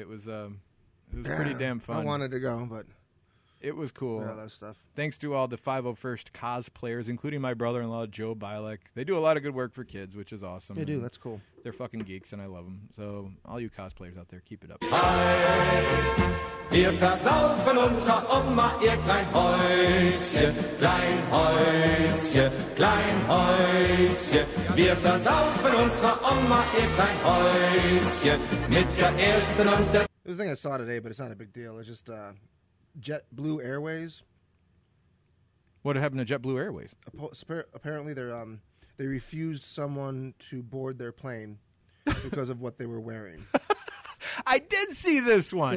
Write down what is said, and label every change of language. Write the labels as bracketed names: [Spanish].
[English] It was pretty damn fun. I wanted to go, but it was cool. All that stuff. Thanks to all the 501st cosplayers, including my brother-in-law, Joe Bilek. They do a lot of good work for kids, which is awesome. They do. That's cool. They're fucking geeks, and I love them. So all you cosplayers out there, keep it up. [German] Wir versaufen unser Oma, ihr Kleinhäuschen, Kleinhäuschen, Kleinhäuschen. Wir versaufen unser Oma, ihr Kleinhäuschen, mit der ersten und der... [English] The thing I saw today, but it's not a big deal. It's just JetBlue Airways. What happened to JetBlue Airways? Apparently, they refused someone to board their plane because of what they were wearing. I did see this one.